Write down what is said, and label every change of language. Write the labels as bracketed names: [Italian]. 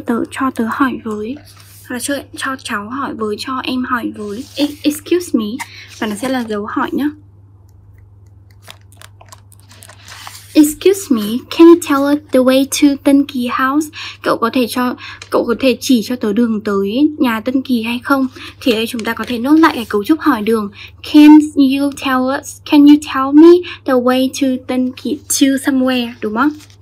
[Vietnamese] Cho tớ hỏi với, hoặc là cho cháu hỏi với, cho em hỏi với. [English] Excuse me, [Vietnamese] và nó sẽ là dấu hỏi nhá. [English] Excuse me, can you tell us the way to Tân Kỳ House? [Vietnamese] Cậu có thể chỉ cho tớ đường tới nhà Tân Kỳ hay không? Thì đây chúng ta có thể nốt lại cái cấu trúc hỏi đường. [English] Can you tell me the way to Tân Kỳ, to somewhere, [Vietnamese] đúng không?